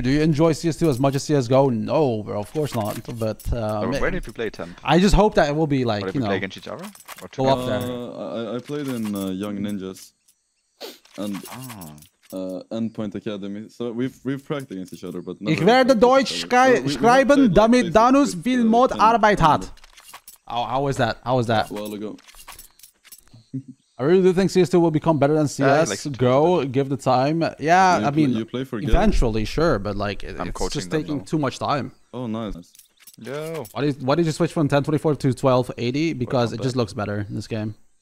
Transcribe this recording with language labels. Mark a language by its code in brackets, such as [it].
[en] Do you enjoy CS2 as much as CSGO? No, bro. Of course not. But where did you play, Temp? I just hope that it will be like, you know. Play against each other? Or go up there. I played in Young Ninjas. And... Endpoint Academy. So we've practiced against each other, but [de] ich werde Deutsch schreiben, damit Danus viel mehr Arbeit hat. [en] How was that? A while ago. I really do think CS2 will become better than CS. Give the time. Yeah, you play for eventually, sure, but like it's just taking too much time. Oh, nice. Yo. Why did you switch from 1024 to 1280? Because it just looks better in this game.